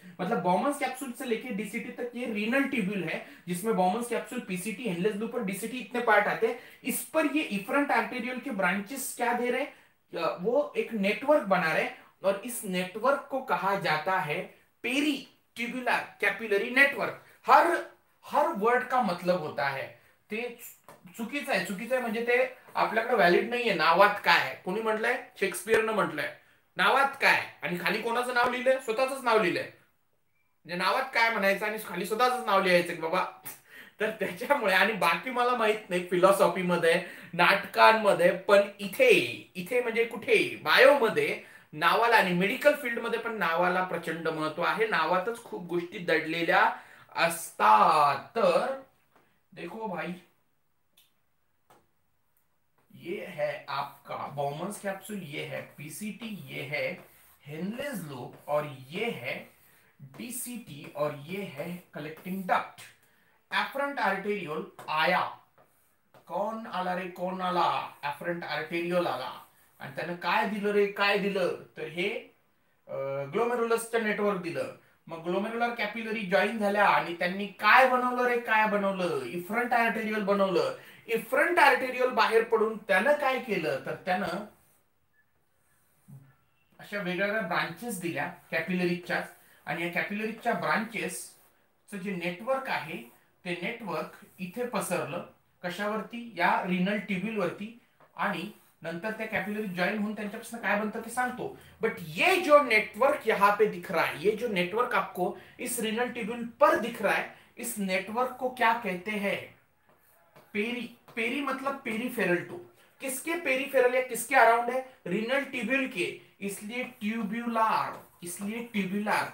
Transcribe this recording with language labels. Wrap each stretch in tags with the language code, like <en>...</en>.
<hi>मतलब Bowman capsule से लेके डीसीटी तक ये रीनल ट्यूबुल है, जिसमें Bowman capsule PCT endless loop और डीसीटी इतने पार्ट आते हैं। इस पर ये इफरेंट आर्टेरियल के ब्रांचेस क्या दे रहे हैं? वो एक नेटवर्क बना रहे, और इस नेटवर्क को कहा जाता है पेरी ट्यूबुलर कैपिलरी नेटवर्क। हर हर वर्ड का मतलब होता है,</hi> <mr>ते चुकीचं आहे, चुकीचं आहे म्हणजे ते आपल्याकडे व्हॅलिड नाही आहे। नावात काय आहे? कोणी म्हटलंय? शेक्सपियरनं म्हटलंय। नावात काय आहे आणि खाली कोणाचं नाव लिहिलंय? स्वतःच नाव लिहिलंय। म्हणजे नावात काय म्हणायचं आणि खाली स्वतःच नाव लिहायचं की बाबा? तर त्याच्यामुळे आणि बाकी मला माहित नाही, फिलॉसॉफी मध्ये नाटकांमध्ये, पण इथे म्हणजे कुठे बायोमध्ये नावाला आणि मेडिकल फील्ड मध्ये पण नावाला प्रचंड महत्व आहे। नावातच खूप गोष्टी दडलेल्या असतात।</mr> <hi>तर देखो भाई, ये है आपका बॉमन कैप्सूल, ये है पीसीटी, ये है हेनलेस लूप, और ये है डीसीटी, और ये है कलेक्टिंग डक्ट। एफरेंट आर्टेरियोल आया,</hi> <mr>कौन आला रे? कौन आला? एफरेंट आर्टेरियोल आला आणि त्याने काय दिलं रे? काय दिलं? तर हे ग्लोमेरुलसचं नेटवर्क दिलं। मग ग्लोमेरुलर कॅपिलरी जॉईन झाल्या आणि त्यांनी काय बनवलं रे? काय बनवलं? इफ्रंट आर्टेरियल बनवलं। इफ्रंट आर्टेरियल बाहेर पडून त्यानं काय केलं? तर त्यानं अशा वेगवेगळ्या ब्रांचेस दिल्या कॅपिलरीच्या, आणि या कॅपिलरीच्या ब्रांचेस चं जे नेटवर्क आहे ते नेटवर्क इथे पसरलं, कशावरती? या रिनल ट्यूब्युलवरती। आणि नंतर त्या कॅपिलरी जॉईन होऊन त्यांच्यापासून काय बनतं ते सांगतो।</mr> <hi>बट ये जो नेटवर्क यहां पे दिख रहा है, ये जो नेटवर्क आपको इस रीनल ट्यूबुल पर दिख रहा है, इस नेटवर्क को क्या कहते हैं? पेरी, पेरी मतलब पेरीफेरल टू। किसके पेरीफेरल या किसके अराउंड है? रीनल ट्यूबुल के, इसलिए ट्यूब्यूलार, इसलिए ट्यूबुलर।</hi>